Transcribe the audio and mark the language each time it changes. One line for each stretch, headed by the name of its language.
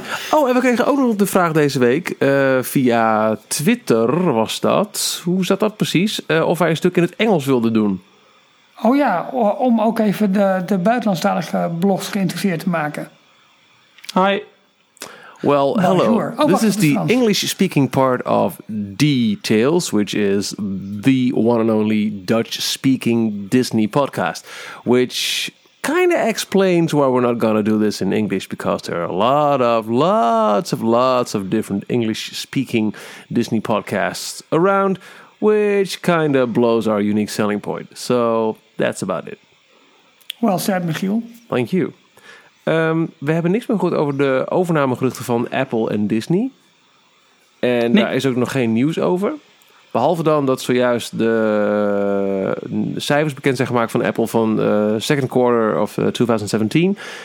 Dutch: Oh, en we kregen ook nog de vraag deze week. Via Twitter was dat. Hoe zat dat precies? Of hij een stuk in het Engels wilde doen. Oh ja, om ook even de buitenlandstalige blogs geïnteresseerd te maken.
English: Hi. Well, hello. Oh, this is the English-speaking part of D-Tales, which is the one and only Dutch-speaking Disney podcast, which kind of explains why we're not going to do this in English, because there are a lot of, lots of different English-speaking Disney podcasts around, which kind of blows our unique selling point. So that's about it. Well said, Michiel. Thank you.
Dutch: We hebben niks meer gehoord over de overnamegeruchten van Apple en Disney. En daar is ook nog geen nieuws over. Behalve dan dat zojuist de cijfers bekend zijn gemaakt van Apple van
English: second quarter of 2017.